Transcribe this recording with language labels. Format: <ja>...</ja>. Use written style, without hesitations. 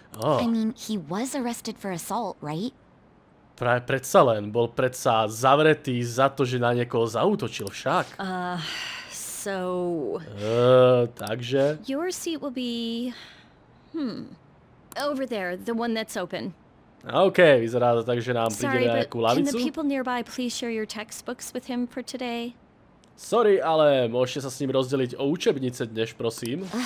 <en>I mean, he was arrested for assault, right?</en> <sk>Práve predsa len, bol predsa zavretý za to, že na niekoho zaútočil však. Takže?</sk> <en>Your seat will be... over there, the one that's open.</en> <sk>Okay, vyzerá to tak, že nám príde na nejakú lavicu.</sk> <en>Can the people nearby please share your textbooks with him for today?</en> <sk>Sorry, ale môžete sa s ním rozdeliť o učebnice dnes, prosím.</sk>